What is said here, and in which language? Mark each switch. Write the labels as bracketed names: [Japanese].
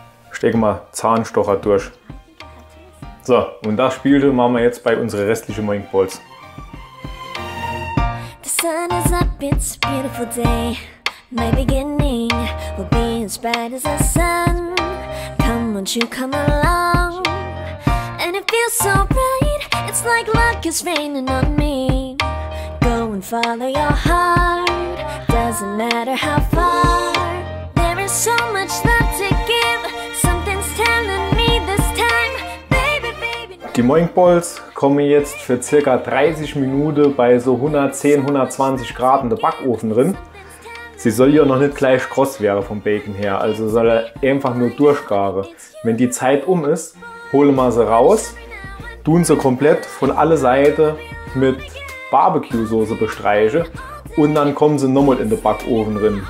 [German] Stecken wir Zahnstocher durch. So, und das Spiel machen wir jetzt bei unseren restlichen Moink Balls. [English] The sun is up, it's a beautiful day. My beginning will be as bright as the sun. Come, won't you come along? And it feels so bright. It's like luck is raining on me. Go and follow your heart. Doesn't matter how far. There is so much love to give. Something's telling me this time. Baby, baby. [German] Die Moink Balls kommen jetzt für circa 30 Minuten bei so 110, 120 Grad in den Backofen drin. Sie soll ja noch nicht gleich kross wäre vom Bacon her, also soll er einfach nur durchgaren. Wenn die Zeit um ist, holen wir sie raus, tun sie komplett von alle Seiten mit Barbecue-Soße bestreichen und dann kommen sie nochmal in den Backofen drin.